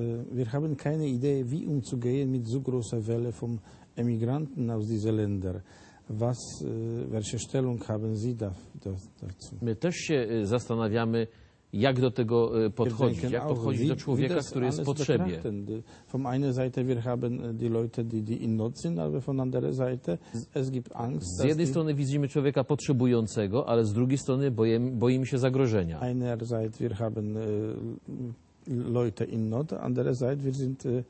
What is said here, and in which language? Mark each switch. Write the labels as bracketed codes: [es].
[de] Wir haben keine Idee, wie umzugehen mit so großer Welle von Emigranten aus diesen Ländern. Was welche Stellung haben Sie dazu? [pl] My też się zastanawiamy, jak do tego podchodzić, jak podchodzić do człowieka, który jest w potrzebie. [de] Von einer Seite wir haben die Leute, die in Not sind, aber von anderer Seite es gibt Angst. [pl] Z jednej strony widzimy człowieka potrzebującego, ale z drugiej strony boimy się zagrożenia. [de] Einerseits wir haben Leute in Not, andererseits wir sind